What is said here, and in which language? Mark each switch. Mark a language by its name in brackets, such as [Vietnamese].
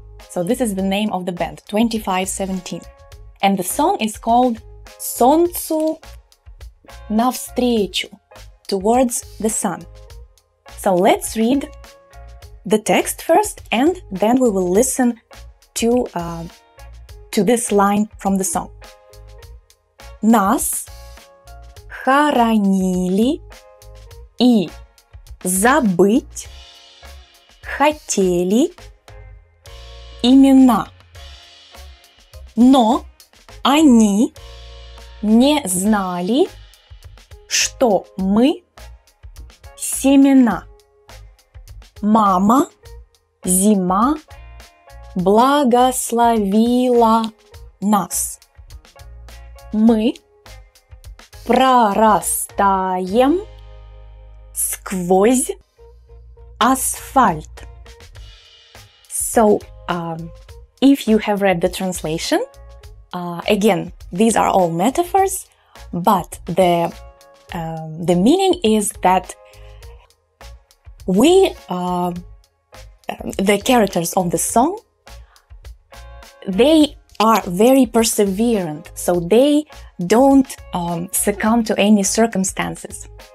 [English] So this is the name of the band, 25-17. And the song is called Солнцу навстречу, Towards the Sun. So let's read the text first, and then we will listen to this line from the song. [Russian] Нас хоронили и забыть хотели имена, но они не знали, что мы семена. Мама, зима благословила нас. Мы прорастаем сквозь асфальт. [English] So, if you have read the translation, again, these are all metaphors, but the meaning is that the characters of the song, they are very perseverant, so they don't succumb to any circumstances.